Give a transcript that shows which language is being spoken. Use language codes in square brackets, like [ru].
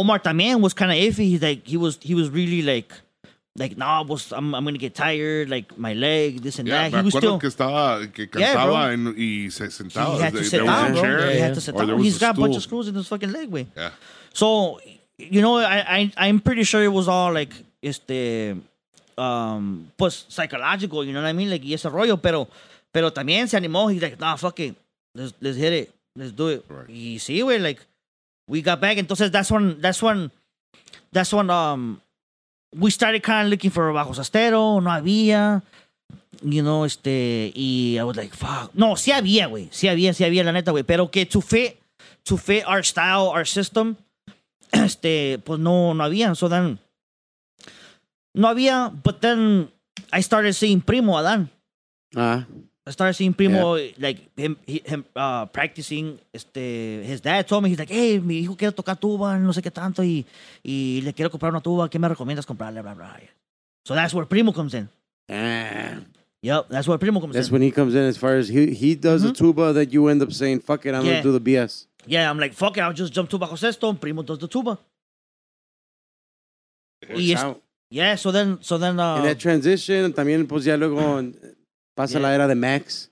[en] Omar también was kind of iffy. He's like, he was really, like... Like, no, nah, I'm going to get tired, like, my leg, this and that. He was still... [es] Que estaba, [en] he had to sit down, bro. He had to sit down. He's got a bunch of screws in his fucking leg, way. Yeah. So, you know, I'm pretty sure it was all like pues psychological, you know what I mean? [es] Like, y ese rollo, pero también se animó. [en] He's like, nah, fuck it. Let's hit it. Let's do it. Right. Y sí, güey, like, we got back. Entonces, that's when we started kind of looking for Bajo Sastero. [es] No había, you know, y I was like, fuck. No, sí había, güey. Sí había, la neta, güey. Pero que to fit our style, our system, pues no había. [en] So then, no había, but then I started seeing Primo Adán. I started seeing Primo, like, him practicing. [es] His dad told me, he's like, hey, mi hijo quiere tocar tuba, no sé qué tanto, y le quiero comprar una tuba, ¿qué me recomiendas comprarle? [en] Blah, blah, blah. So that's where Primo comes in. Yep, that's where Primo comes that's That's when he comes in, as far as he does mm-hmm. a tuba that you end up saying, fuck it, I'm going to do the BS. Yeah, I'm like, fuck it, I'll just jump to Bajo Sexto, and Primo does the tuba. So then... [es] In that transition, también, pues ya luego... Pasa la era de Max.